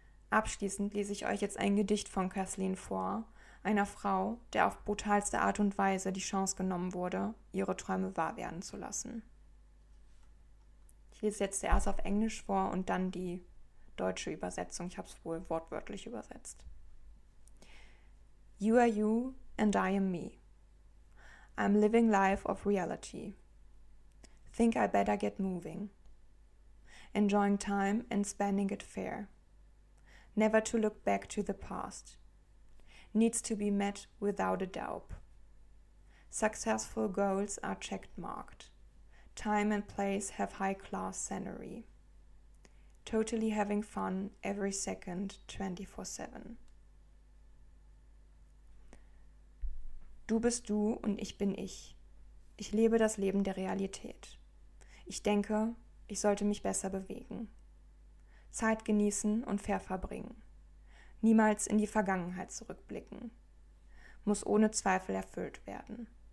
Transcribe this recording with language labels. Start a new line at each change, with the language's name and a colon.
German: Abschließend lese ich euch jetzt ein Gedicht von Kathleen vor, einer Frau, der auf brutalste Art und Weise die Chance genommen wurde, ihre Träume wahr werden zu lassen. Ich lese jetzt erst auf Englisch vor und dann die deutsche Übersetzung. Ich habe es wohl wortwörtlich übersetzt.
English: You are you and I am me. I'm living life of reality. Think I better get moving. Enjoying time and spending it fair. Never to look back to the past. Needs to be met without a doubt. Successful goals are checked marked. Time and place have high class scenery. Totally having fun every second 24/7.
German: Du bist du und ich bin ich. Ich lebe das Leben der Realität. Ich denke, ich sollte mich besser bewegen. Zeit genießen und fair verbringen. Niemals in die Vergangenheit zurückblicken. Muss ohne Zweifel erfüllt werden.